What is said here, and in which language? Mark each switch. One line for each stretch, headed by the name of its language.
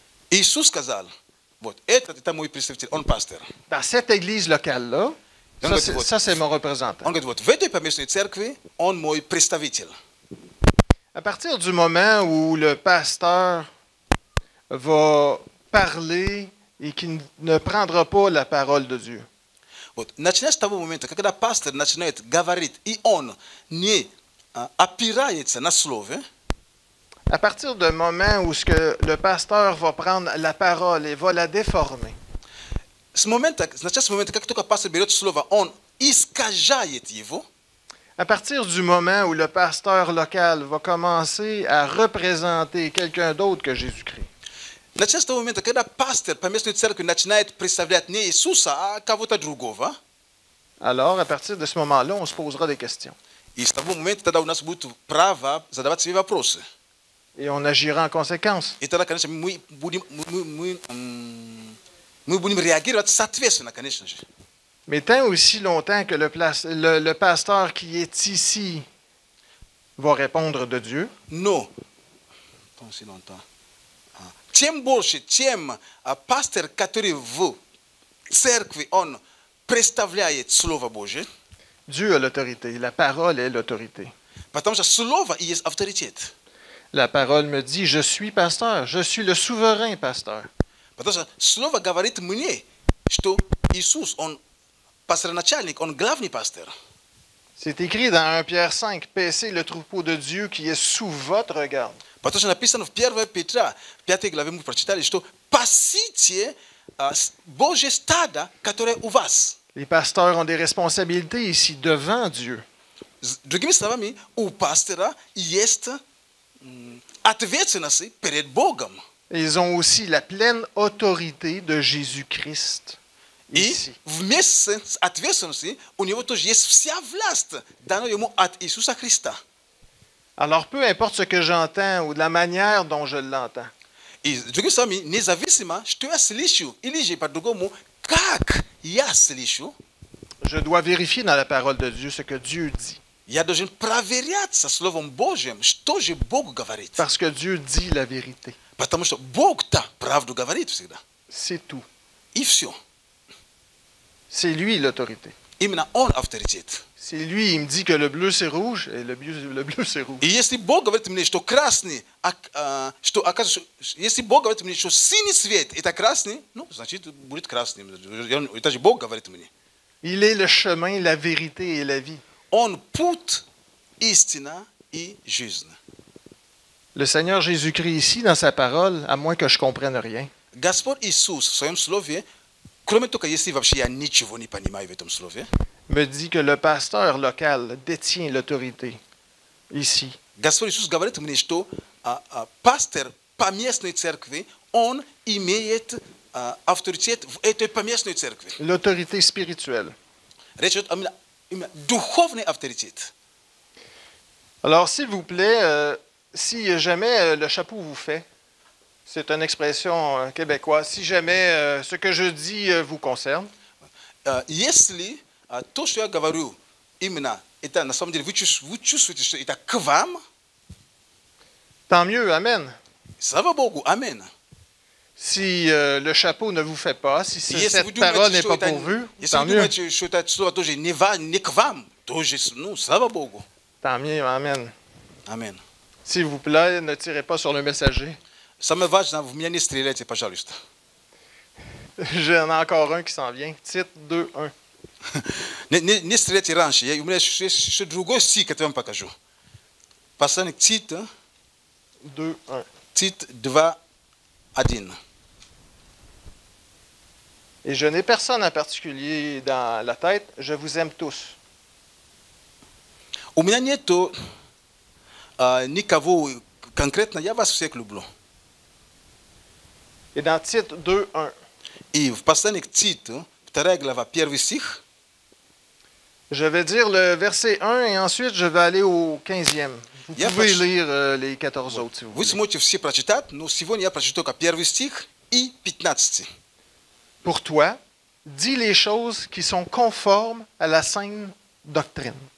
Russian: Иисус сказал, вот, этот, это мой представитель, он пастор.
French: Dans cette église locale-là, ça c'est mon représentant.
Russian: Он говорит, вот, в этой поместной церкви, он мой представитель.
French: À partir du moment où le pasteur va parler et qu'il ne prendra pas la parole de Dieu.
Russian: Вот, начиная с того момента, когда пастор начинает говорить, и он не опирается на слово,
French: à partir du moment où ce que le pasteur va prendre la parole et va la déformer. Ce moment,
Russian: как только пастор берет слово, он искажает его.
French: À partir du moment où le pasteur local va commencer à représenter quelqu'un d'autre que Jésus-Christ.
Russian: На
French: ce moment,
Russian: когда пастор по местной церкви начинает представлять не Иисуса, а кого-то другого.
French: Alors, à partir de ce moment-là, on se posera des questions. Et ce moment,
Russian: тогда у нас будет право задавать себе вопросы.
French: Et on agira en conséquence. Et
Russian: тогда, конечно, мы будем реагировать соответственно, конечно же.
French: Mais tant aussi longtemps que le pasteur qui est ici va répondre de Dieu. Non. Tant si longtemps.
Russian: Тем больше, тем пастор, который в церкви, он представляет Слово Божие.
French: Dieu a l'autorité. La parole est l'autorité.
Russian: Потому что Слово и есть авторитет.
French: La parole me dit, je suis pasteur, je suis le souverain pasteur.
Russian: Потому что Слово говорит мне, что Иисус, он пастор-начальник, он главный пастор.
French: C'est écrit dans 1 Pierre 5, paissez le troupeau de Dieu qui est sous votre garde.
Russian: Потому что написано в 1 Петра, в 5 главе мы прочитали, что пасите Божье стадо, которое у вас.
French: Les pasteurs ont des responsabilités ici devant Dieu.
Russian: Другими словами, у пастора есть ответственность перед Богом.
French: Ils ont aussi la pleine autorité de Jésus-Christ. Ici.
Russian: И в месяц ответственности у него тоже есть вся власть, данная ему от Иисуса Христа.
French: Alors peu importe ce que j'entends ou de la manière dont je l'entends.
Russian: И другими словами, независимо, что я слышу или же по-другому, как я слышу,
French: je dois vérifier dans la parole de Dieu ce que Dieu dit.
Russian: Я должен проверять со словом Божьим, что же Бог говорит.
French: Parce que Dieu dit la vérité.
Russian: Потому что Бог-то правду говорит всегда.
French: C'est tout.
Russian: И все.
French: C'est lui l'autorité.
Russian: Именно он авторитет.
French: C'est lui, il me dit que le bleu c'est rouge et le bleu c'est rouge.
Russian: И если Бог говорит мне, что красный, что оказывается, если Бог говорит мне, что синий свет это красный, ну значит будет красным. Это же Бог говорит мне.
French: Il est le chemin, la vérité et la vie.
Russian: Он путь, истина и жизнь.
French: Le Seigneur Jésus-Christ ici dans sa parole, à moins que je comprenne rien.
Russian: Господь Иисус в своем слове, кроме того, если вообще я ничего не понимаю в этом слове,
French: me dit que le pasteur local détient l'autorité ici.
Russian: Господь Иисус говорит мне, что пастор поместной церкви, он имеет авторитет в этой поместной церкви.
French: L'autorité spirituelle.
Russian: Речь идет о духовной авторитете.
French: Alors, s'il vous plaît, si jamais le chapeau vous fait, c'est une expression québécoise, si jamais ce que je dis vous concerne,
Russian: если то, что я говорю, именно, это на самом деле, вы чувствуете, что это к вам,
French: tant mieux, amen. Ça va beaucoup, amen. Si le chapeau ne vous fait pas, si cette parole n'est pas pourvue, tant mieux.
Russian: Если вы думаете, что это тоже не вам, не к вам, тоже, ну, слава Богу.
French: Tant mieux, amen. Amen. S'il vous plaît, ne tirez pas sur le messager.
Russian: Самое важное, вы меня не стреляйте, пожалуйста.
French: J'en ai encore un qui s'en vient. Titre 2-1.
Russian: Не стреляйте раньше. У меня еще другой стих, который я вам покажу. Послание к Титу. 2-1. Титу 2-1.
French: Et je n'ai personne en particulier dans la tête. Je vous aime tous.
Russian: У меня нет никого конкретно. Я вас всех люблю.
French: Et dans Titre 2-1. Et
Russian: в послании к Титу, вторая глава, первый стих.
French: Je vais dire le verset 1 et ensuite je vais aller au 15e. Vous
Russian: я
French: pouvez lire les 14 autres, si vous voulez.
Russian: Вы сможете все прочитать, но сегодня я прочитаю только первый стих и 15.
French: Pour toi, dis les choses qui sont conformes à la sainte doctrine.